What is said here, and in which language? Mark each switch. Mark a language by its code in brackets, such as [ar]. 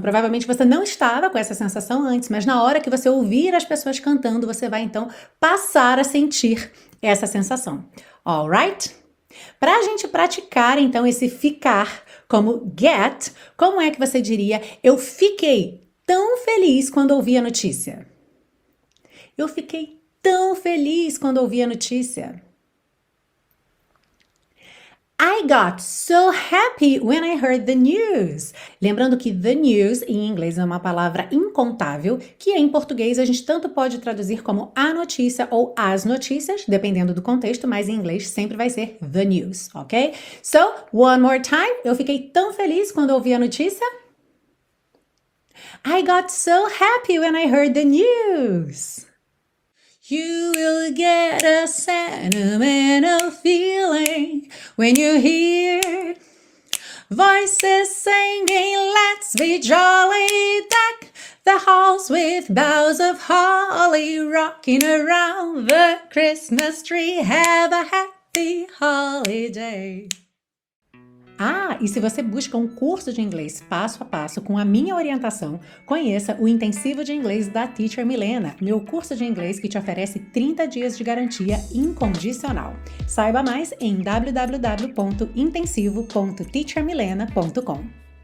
[pt] Provavelmente você não estava com essa sensação antes, mas na hora que você ouvir as pessoas cantando, você vai, então, passar a sentir essa sensação. [en] All right? [pt] Para a gente praticar, então, esse ficar como get, como é que você diria eu fiquei tão feliz quando ouvi a notícia? Eu fiquei tão feliz quando ouvi a notícia. [en] I got so happy when I heard the news. [pt] Lembrando que the news, em inglês, é uma palavra incontável, que em português a gente tanto pode traduzir como a notícia ou as notícias, dependendo do contexto, mas em inglês sempre vai ser the news, ok? [en] So, one more time, [pt] eu fiquei tão feliz quando ouvi a notícia. [en] I got so happy when I heard the news. You will get a sentimental feeling when you hear voices singing, let's be jolly, deck the halls with boughs of holly, rocking around the Christmas tree, have a happy holiday. [pt] Ah, e se você busca um curso de inglês passo a passo com a minha orientação, conheça o Intensivo de Inglês da Teacher Milena, meu curso de inglês que te oferece 30 dias de garantia incondicional. Saiba mais em www.intensivo.teachermilena.com.